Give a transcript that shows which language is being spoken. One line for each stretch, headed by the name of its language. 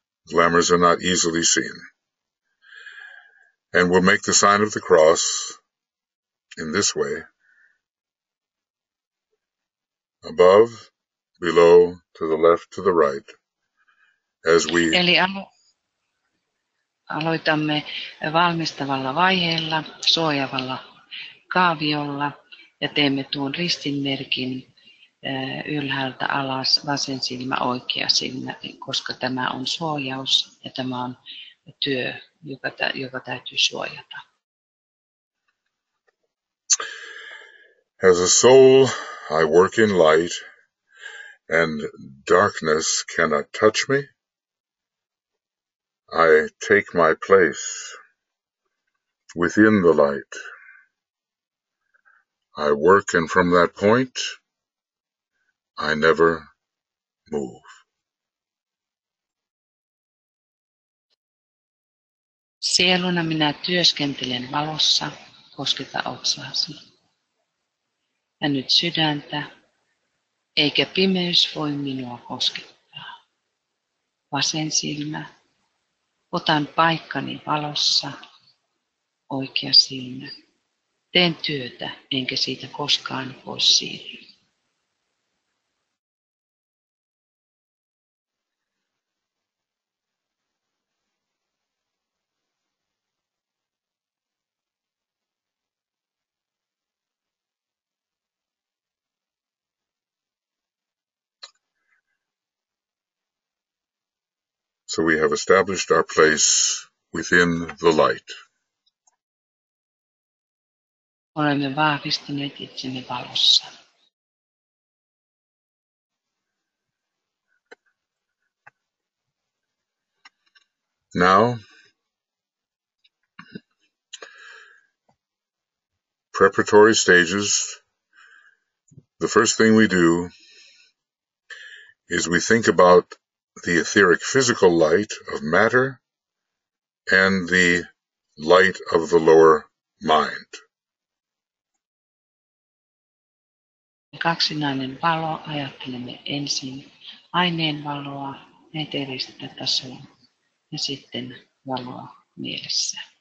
English: Glamours are not easily seen. And we'll make the sign of the cross in this way, above, below, to the left, to the right, as we...
Finnish: Aloitamme valmistavalla vaiheella, suojavalla kaaviolla ja teemme tuon ristinmerkin ylhäältä alas, vasen silmä, oikea silmä, koska tämä on suojaus ja tämä on työ, joka täytyy suojata.
English: As a soul, I work in light and darkness cannot touch me. I take my place within the light. I work, and from that point, I never move.
Finnish: Sieluna minä työskentelen valossa, kosketa otsaasi. Ja nyt sydäntä, eikä pimeys voi minua koskettaa. Vasen silmä. Otan paikkani valossa, oikea silmä. Teen työtä, enkä siitä koskaan voi siirtyä.
English: So we have established our place within the light.
Finnish: Olemme vahvistaneet itsemme valossa.
English: Now, preparatory stages, the first thing we do is we think about the etheric physical light of matter and the light of the lower mind.
Finnish: Kaksinainen valo, ajattelemme ensin aineen valoa, eteeristä tasoa ja sitten valoa mielessä.